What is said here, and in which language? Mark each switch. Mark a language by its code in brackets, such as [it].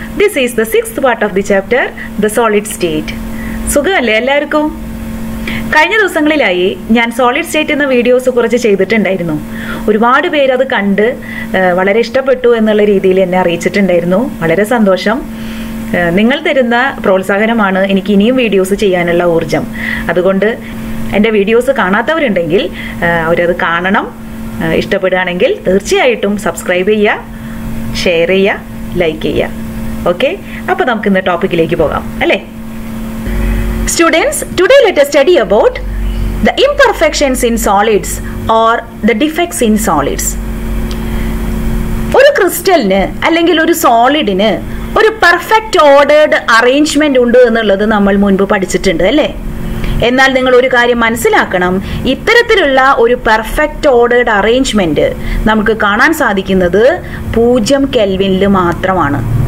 [en] This is the sixth part of the chapter, the solid state. [ml] സുഖമല്ലേ എല്ലാവർക്കും? കഴിഞ്ഞ ദിവസങ്ങളിലായി ഞാൻ സോളിഡ് സ്റ്റേറ്റ് എന്ന വീഡിയോസ് കുറച്ച് ചെയ്തിട്ടുണ്ടായിരുന്നു. ഒരുപാട് പേര് അത് കണ്ട് വളരെ ഇഷ്ടപ്പെട്ടു എന്നുള്ള രീതിയിൽ എന്നെ അറിയിച്ചിട്ടുണ്ടായിരുന്നു. വളരെ സന്തോഷം. നിങ്ങൾ തരുന്ന പ്രോത്സാഹനമാണ് എനിക്ക് ഇനിയും വീഡിയോസ് ചെയ്യാനുള്ള ഊർജം. അതുകൊണ്ട് എൻ്റെ വീഡിയോസ് കാണാത്തവരുണ്ടെങ്കിൽ അവരത് കാണണം. ഇഷ്ടപ്പെടുകയാണെങ്കിൽ തീർച്ചയായിട്ടും സബ്സ്ക്രൈബ് ചെയ്യുക, ഷെയർ ചെയ്യുക, ലൈക്ക് ചെയ്യുക. ഓക്കെ, അപ്പോൾ നമുക്ക് ഇന്ന് ടോപ്പിക്കിലേക്ക് പോകാം അല്ലേ. [en] Students, today let us study about the imperfections in solids or the defects in solids. [ml] ഒരു ക്രിസ്റ്റലിന് അല്ലെങ്കിൽ ഒരു സോളിഡിന് ഒരു പെർഫെക്റ്റ് ഓർഡേർഡ് അറേഞ്ച്മെന്റ് ഉണ്ട് എന്നുള്ളത് നമ്മൾ മുൻപ് പഠിച്ചിട്ടുണ്ട് അല്ലേ. എന്നാൽ നിങ്ങൾ ഒരു കാര്യം മനസ്സിലാക്കണം, ഇത്തരത്തിലുള്ള ഒരു പെർഫെക്റ്റ് ഓർഡേർഡ് അറേഞ്ച്മെന്റ് നമുക്ക് കാണാൻ സാധിക്കുന്നത് 0 കെൽവിനിൽ മാത്രമാണ്.